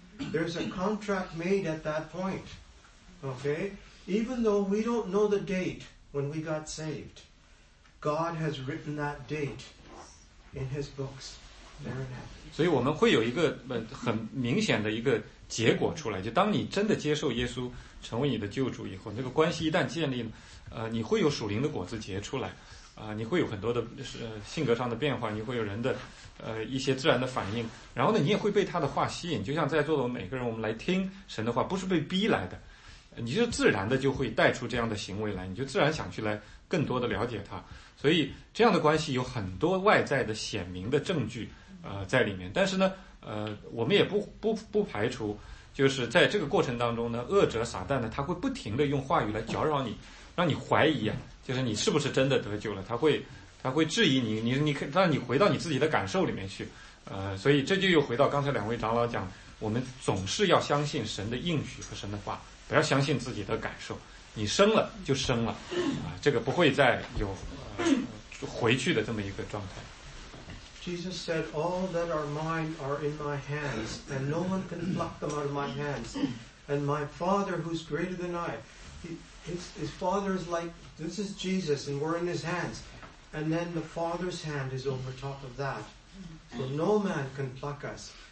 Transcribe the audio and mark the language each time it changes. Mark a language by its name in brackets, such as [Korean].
[English] There's a contract made at that point. Okay? Even though we don't know the date when we got saved, God has written that date in His books there in heaven. [Chinese] 所以我们会有一个很明显的一个结果出来，就当你真的接受耶稣成为你的救主以后，那个关系一旦建立，你会有属灵的果子结出来，你会有很多的性格上的变化，你会有人的一些自然的反应，然后呢，你也会被他的话吸引，就像在座的每个人，我们来听神的话，不是被逼来的。你就自然的就会带出这样的行为来，你就自然想去来更多的了解他，所以这样的关系有很多外在的显明的证据在里面。但是呢我们也不排除，就是在这个过程当中呢，恶者撒旦呢，他会不停的用话语来搅扰你，让你怀疑啊，就是你是不是真的得救了，他会质疑你，你让你回到你自己的感受里面去，所以这就又回到刚才两位长老讲，我们总是要相信神的应许和神的话，不要相信自己的感受，你生了就生了，这个不会再有回去的这么一个状态。 [English] Jesus said, "All that are mine are in my hands, and no one can pluck them out of my hands. And my Father, who's greater than I, his Father is like this is Jesus, and we're in His hands. And then the Father's hand is over top of that, so no man can pluck us.